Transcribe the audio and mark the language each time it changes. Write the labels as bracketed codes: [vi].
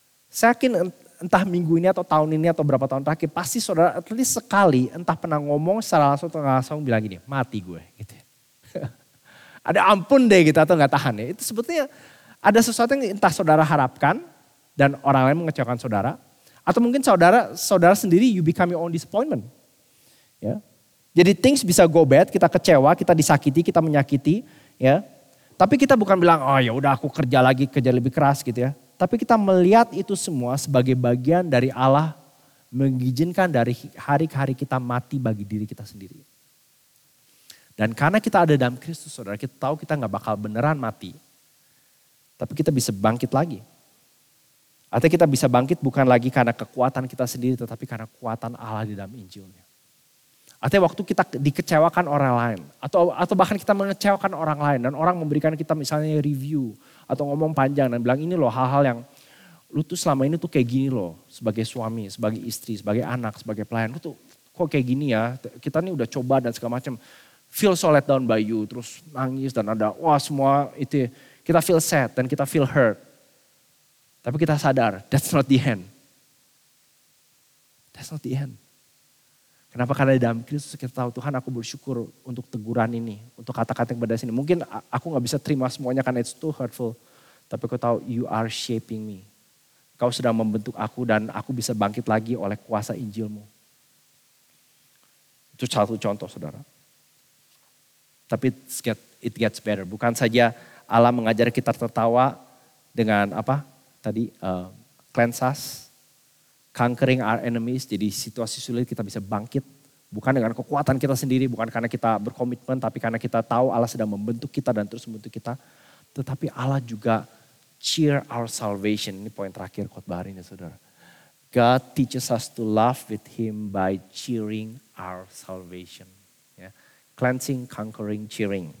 [id] Saya yakin entah minggu ini atau tahun ini atau berapa tahun terakhir, pasti saudara [en] at least [id] sekali entah pernah ngomong secara langsung atau gak langsung bilang gini, mati gue gitu ya. Ada ampun deh gitu atau gak tahan ya. Itu sebetulnya ada sesuatu yang entah saudara harapkan dan orang lain mengecewakan saudara. Atau mungkin saudara sendiri [en] you become your own disappointment. [id] Ya. Jadi [en] things [id] bisa [en] go bad, [id] kita kecewa, kita disakiti, kita menyakiti, ya. Tapi kita bukan bilang, oh ya udah aku kerja lagi, kerja lebih keras gitu ya. Tapi kita melihat itu semua sebagai bagian dari Allah mengizinkan dari hari ke hari kita mati bagi diri kita sendiri. Dan karena kita ada dalam Kristus, saudara, kita tahu kita gak bakal beneran mati. Tapi kita bisa bangkit lagi. Artinya kita bisa bangkit bukan lagi karena kekuatan kita sendiri, tetapi karena kekuatan Allah di dalam Injilnya. Artinya waktu kita dikecewakan orang lain. Atau bahkan kita mengecewakan orang lain. Dan orang memberikan kita misalnya review. Atau ngomong panjang dan bilang ini loh hal-hal yang. Lu tuh selama ini tuh kayak gini loh. Sebagai suami, sebagai istri, sebagai anak, sebagai pelayan. Lu tuh kok kayak gini ya. Kita nih udah coba dan segala macam. [en] Feel so let down by you. [id] Terus nangis dan ada wah semua itu. Kita [en] feel sad [id] dan kita [en] feel hurt. [id] Tapi kita sadar [en] that's not the end. That's not the end. [id] Kenapa? Karena di dalam Kristus kita tahu, Tuhan aku bersyukur untuk teguran ini, untuk kata-kata yang berdasar ini. Mungkin aku gak bisa terima semuanya karena [en] it's too hurtful. [id] Tapi aku tahu, [en] you are shaping me. [id] Kau sedang membentuk aku dan aku bisa bangkit lagi oleh kuasa Injilmu. Itu satu contoh, saudara. Tapi [en] it gets better. [id] Bukan saja Allah mengajar kita tertawa dengan apa tadi, [en] cleanse us. Conquering our enemies, [id] jadi situasi sulit kita bisa bangkit. Bukan dengan kekuatan kita sendiri, bukan karena kita berkomitmen, tapi karena kita tahu Allah sedang membentuk kita dan terus membentuk kita. Tetapi Allah juga [en] cheer our salvation. [id] Ini poin terakhir khotbah hari ini, saudara. [en] God teaches us to laugh with him by cheering our salvation. Yeah. Cleansing, conquering, cheering.